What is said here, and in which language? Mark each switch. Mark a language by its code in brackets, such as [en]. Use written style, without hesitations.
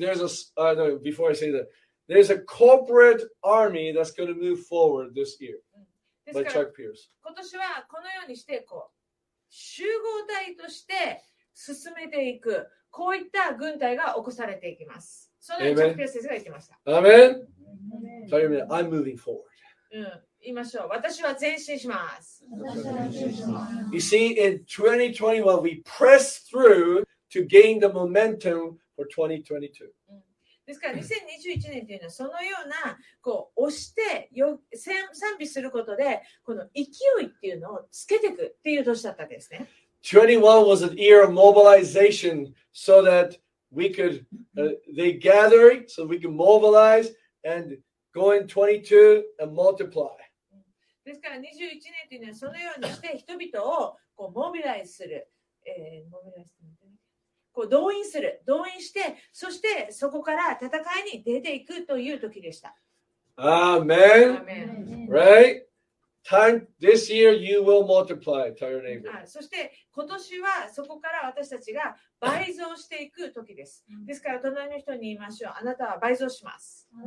[en] There's a no, before I say that, there's a corporate army that's going to move forward this year by Chuck Pierce. [ja] 今年はこのようにしてこう集合体として進めていく、こういった軍隊が起こされていきます。そのチャック・ピアース先生が言ってました。 [en] Amen. Tell your neighbor, I'm moving forward. [ja] 言いましょう。私は前進します。 [en] You see, in 2021, we press through to gain the momentum for 2022. [ja] ですから2021年というのはそのようなこう押してよ賛美することでこの勢いっていうのをつけていくっていう年だったんですね。 [en] 21 was an year of mobilization so that we could they gather so we could mobilize and go in 22 and multiply. [ja] ですから21年というのはそのようにして人々をこうモビライズする、モビライズする。こう動員する、動員して、そしてそこから戦いに出ていくという時でした。アーメン。Right? [en] Time, this year you will multiply, tell your neighbor. [ja] そして今年はそこから私たちが倍増していく時です。ですから隣の人に言いましょう。あなたは倍増します。